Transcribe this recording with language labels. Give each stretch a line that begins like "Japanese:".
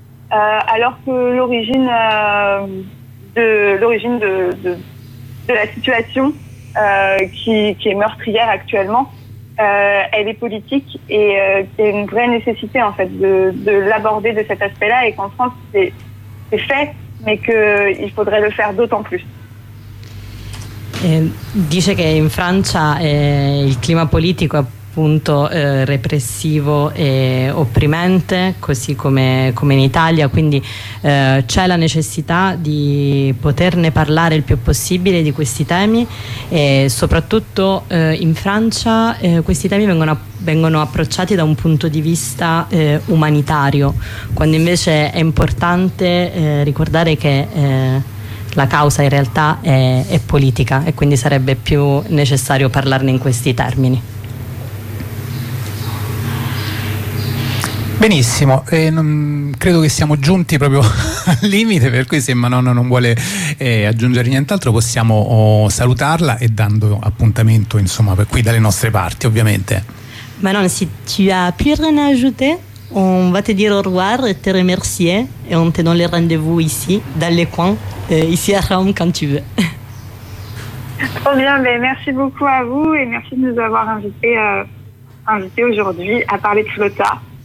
French: Alors que l'origine de la situation qui est meurtrière actuellement, elle est politique et il y a une vraie nécessité en fait de l'aborder de cet aspect-là et qu'en France c'est fait, mais qu'il faudrait le faire d'autant plus.
Italian: Dice che in Francia il clima politico appunto repressivo e opprimente, così come in Italia, quindi c'è la necessità di poterne parlare il più possibile di questi temi e soprattutto in Francia questi temi vengono approcciati da un punto di vista umanitario, quando invece è importante ricordare che la causa in realtà è politica e quindi sarebbe più necessario parlarne in questi termini. Benissimo, credo che siamo giunti proprio al limite, per cui se Manon non vuole aggiungere nient'altro possiamo salutarla e dando appuntamento insomma per qui dalle nostre parti ovviamente.
French: Manon, si tu as plus rien à ajouter, on va te dire au revoir et te remercier et on te donne le rendez-vous ici, dans les coins, ici à Rome quand tu veux. Trop bien, mais merci beaucoup à vous et merci de nous avoir invité aujourd'hui à parler de Flotta.